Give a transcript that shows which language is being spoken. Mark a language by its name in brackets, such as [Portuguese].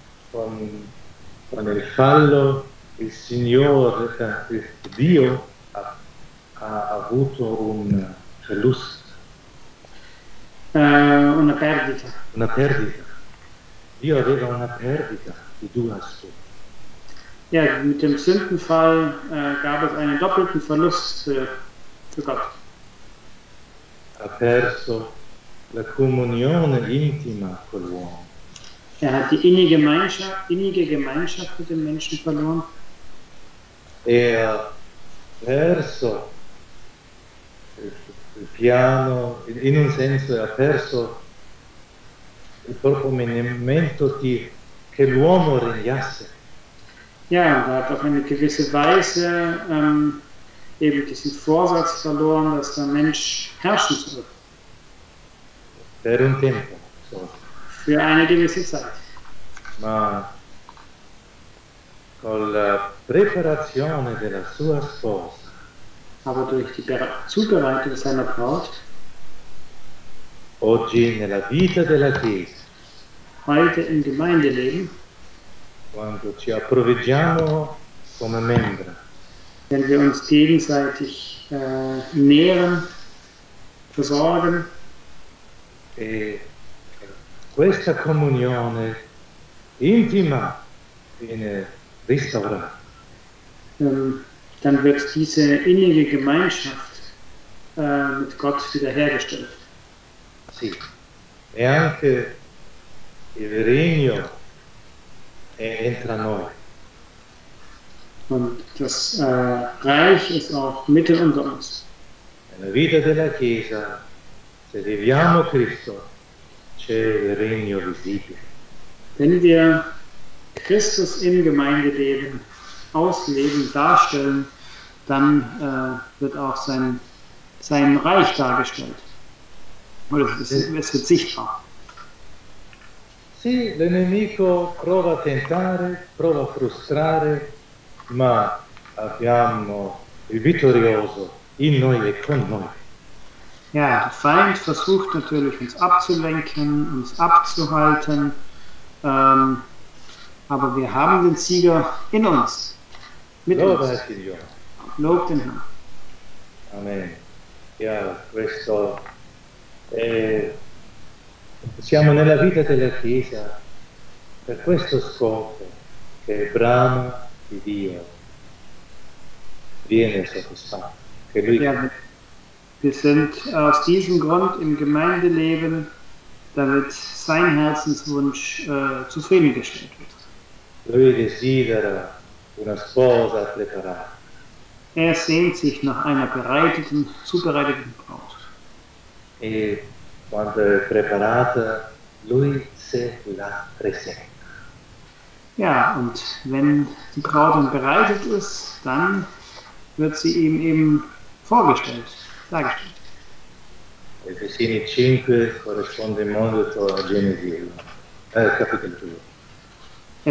[Italian] Con il fallo il Signore, Dio ha avuto un [German] verlust. [Italian] Una perdita. Una perdita. Dio aveva una perdita di due aspetti. [German] Ja, mit dem Sündenfall gab es einen doppelten Verlust für Gott. [Italian] Ha perso la comunione intima con l'uomo. [German] Er hat die innige Gemeinschaft mit dem Menschen verloren. [Italian] Ha perso il piano, in un senso ha perso il proprio movimento di che l'uomo regnasse. [German] Ja, und er hat auf eine gewisse Weise eben diesen Vorsatz verloren, dass der Mensch herrschen soll. [Italian] Per un tempo, so. [German] Für eine gewisse Zeit. [Italian] Ma con la preparazione della sua sposa. [German] Aber durch die Zubereitung seiner Braut. [Italian] Oggi nella vita della Chiesa. [German] Heute im Gemeindeleben. [Italian] Quando ci approvvigiamo come membra. [German] Wenn wir uns gegenseitig nähren, versorgen. [Italian] E questa comunione intima viene restaurata. [German] Dann wird diese innige Gemeinschaft mit Gott wiederhergestellt. [Italian] Sì. E anche il regno entra noi. [German] Und das Reich ist auch mitten unter uns. [Italian] Nella vita della Chiesa, se viviamo Cristo, c'è il regno visibile. [German] Wenn wir Christus im Gemeindeleben ausleben, darstellen, dann wird auch sein Reich dargestellt. Oder es wird sichtbar. [Italian] Sì, l'nemico prova a tentare, prova a frustrare, ma abbiamo il vittorioso in noi e con noi. [German] Ja, der Feind versucht natürlich uns abzulenken, uns abzuhalten, aber wir haben den Sieger in uns, mit Lobati uns. [Italian] Dio. [German] Lob den Herrn. [Italian] Amen. [German] Ja, [Italian] questo è... Siamo nella vita della Chiesa per questo scopo che il brano di Dio viene soddisfatto. Che lui... [German] Ja, wir sind aus diesem Grund im Gemeindeleben, damit sein Herzenswunsch zufriedengestellt wird. [Italian] Lui desidera una sposa preparata. [German] Er sehnt sich nach einer bereiteten, zubereiteten Braut. [Italian] E... Quando è preparata, lui se la presenta. [German] Ja, und wenn die Braut bereitet ist, dann wird sie ihm eben vorgestellt, dargestellt. [Italian] Efesini 5 corrisponde molto a Genesi 1, [German] Kapitel 2.